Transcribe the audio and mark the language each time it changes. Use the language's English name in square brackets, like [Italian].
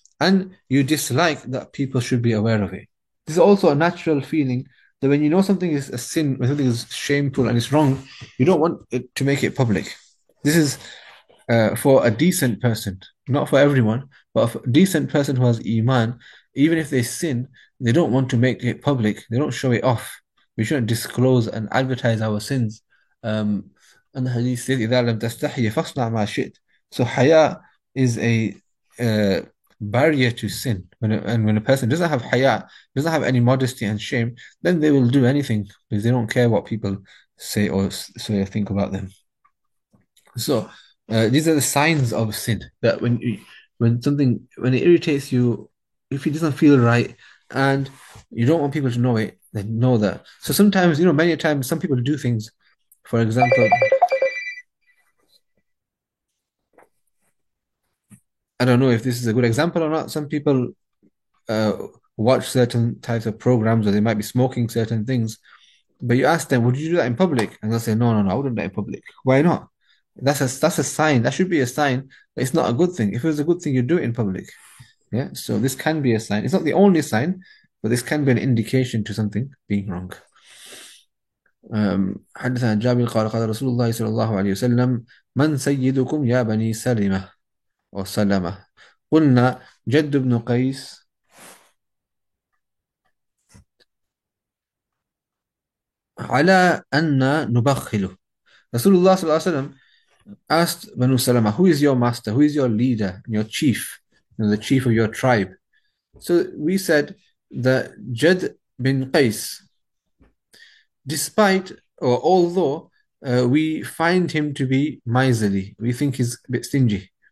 [English] And you dislike that people should be aware of it. This is also a natural feeling, that when you know something is a sin, when something is shameful and it's wrong, you don't want it to make it public. This is for a decent person, not for everyone, but for a decent person who has iman, even if they sin, they don't want to make it public. They don't show it off. We shouldn't disclose and advertise our sins. And the hadith says, [Arabic] إِذَا لَمْ تَسْتَحْيَ فَاصْنَعْ مَا شِئْتْ. [English] So haya is a barrier to sin. When a person doesn't have haya, doesn't have any modesty and shame, then they will do anything because they don't care what people say or say or think about them. So these are the signs of sin, that when it irritates you, if it doesn't feel right, and You don't want people to know it. They know that. So sometimes, you know, many times, some people do things. For example, I don't know if this is a good example or not. Some people watch certain types of programs, or they might be smoking certain things. But you ask them, would you do that in public? And they'll say, no, I wouldn't do that in public. Why not? That's a sign. That should be a sign. But it's not a good thing. If it was a good thing, you'd do it in public. Yeah. So this can be a sign. It's not the only sign, but this can be an indication to something being wrong. [Arabic] حدثنا جابر قال قال رسول الله صلى الله عليه وسلم من سيدكم يا بني سلمة وسلمة قلنا جد بن قيس على أن نبخله. رسول الله صلى الله عليه وسلم [English] asked بنو سلمة, who is your master, who is your leader and your chief, and the chief of your tribe. So we said that Jad bin Qais, despite or although we find him to be miserly, we think he's a bit stingy.